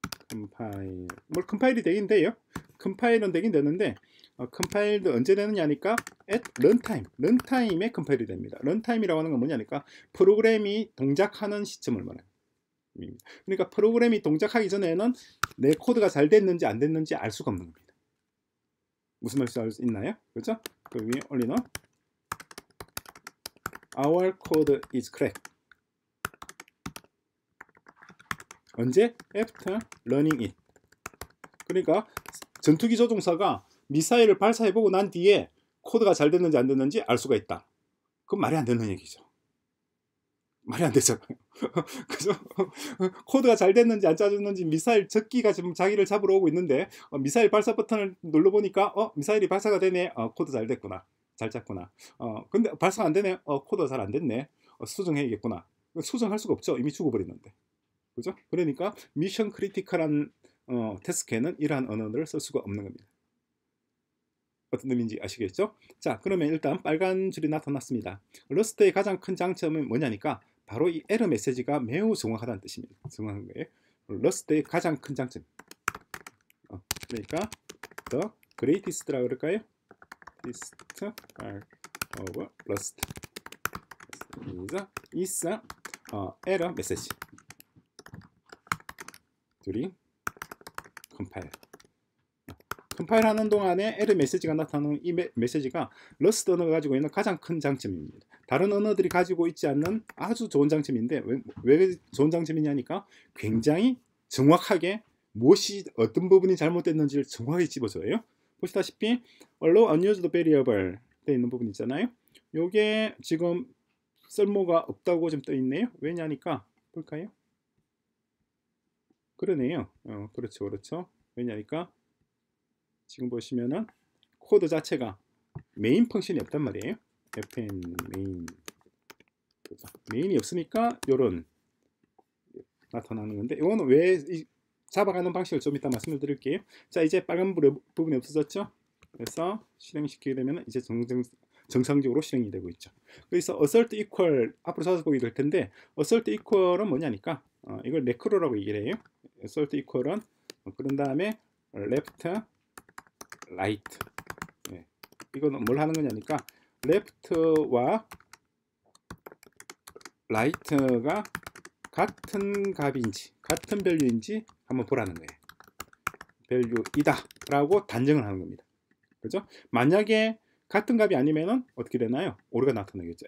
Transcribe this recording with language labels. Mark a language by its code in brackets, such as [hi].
[ko] 컴파일 컴파일이 되긴 돼요. 컴파일은 되긴 되는데 컴파일도 언제 되느냐니까 at runtime. 런타임에 컴파일이 됩니다. 런타임이라고 하는 건 뭐냐니까 프로그램이 동작하는 시점을 말합니다. 그러니까 프로그램이 동작하기 전에는 내 코드가 잘 됐는지 안 됐는지 알 수가 없는 겁니다. 무슨 말인지 알 수 있나요? 그렇죠? 그 위에 올리는 Our code is correct. 언제? After learning it. 그러니까 전투기 조종사가 미사일을 발사해보고 난 뒤에 코드가 잘 됐는지 안 됐는지 알 수가 있다. 그건 말이 안 되는 얘기죠. 말이 안 되잖아요. 그죠? 코드가 잘 됐는지 안 짜졌는지 미사일 적기가 지금 자기를 잡으러 오고 있는데 미사일 발사 버튼을 눌러보니까 미사일이 발사가 되네. 코드 잘 됐구나. 잘 잡구나. 근데 발사가 안 되네. 코드가 잘 안 됐네. 수정해야겠구나. 수정할 수가 없죠. 이미 죽어버리는데. 그죠? 그러니까 미션 크리티컬한 태스크에는 이러한 언어들을 쓸 수가 없는 겁니다. 어떤 의미인지 아시겠죠? 자, 그러면 일단 빨간 줄이 나타났습니다. 러스트의 가장 큰 장점은 뭐냐니까 바로 이 에러 메시지가 매우 정확하다는 뜻입니다. 정확한 거예요. 러스트의 가장 큰 장점. 그러니까 the greatest라고 그럴까요? [en] Greatest part of Rust is a error message during compile. [ko] Compile 하는 동안에 error 메시지가 나타나는 이 메시지가 Rust 언어가 가지고 있는 가장 큰 장점입니다. 다른 언어들이 가지고 있지 않는 아주 좋은 장점인데 왜 좋은 장점이냐니까 굉장히 정확하게 무엇이 어떤 부분이 잘못됐는지를 정확히 집어줘요. 보시다시피 allow unused variable 되어 있는 부분 있잖아요. 요게 지금 쓸모가 없다고 좀 떠 있네요. 왜냐니까 볼까요? 그러네요. 그렇죠. 그렇죠. 왜냐니까 지금 보시면은 코드 자체가 메인 펑션이 없단 말이에요. fn main. 그렇죠. 메인이 없으니까 요런 나타나는 건데 이거는 왜 이 잡아가는 방식을 좀 이따 말씀을 드릴게요. 자, 이제 빨간 부분이 없어졌죠? 그래서 실행시키게 되면 이제 정상적으로 실행이 되고 있죠. 그래서 assert equal 앞으로 찾아보게 될 텐데 assert equal은 뭐냐니까 이걸 매크로라고 얘기를 해요. assert equal은 그런 다음에 left, right. 네. 이거는 뭘 하는 거냐니까 left와 right가 같은 값인지 같은 밸류인지 한번 보라는 거예요. 밸류이다 라고 단정을 하는 겁니다. 그죠? 만약에 같은 값이 아니면은 어떻게 되나요? 오류가 나타나겠죠.